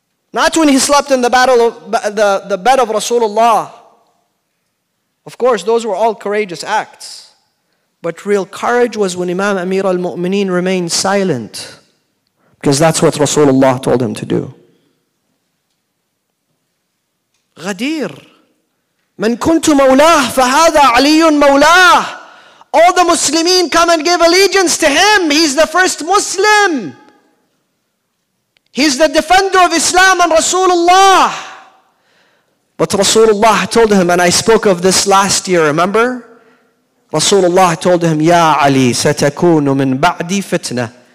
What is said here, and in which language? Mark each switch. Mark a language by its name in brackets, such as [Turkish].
[English] Not when he slept in the battle of the bed of Rasulullah. Of course, those were all courageous acts. But real courage was when Imam Amir al-Mu'mineen remained silent. Because that's what Rasulullah told him to do. Ghadir. [Arabic] من كنت مولاه فهذا علي مولاه. [English] All the Muslimin come and give allegiance to him. He's the first Muslim. He's the defender of Islam and Rasulullah. But Rasulullah told him, and I spoke of this last year, remember? Rasulullah told him, [Arabic] يا علي ستكون من بعدي فتنة.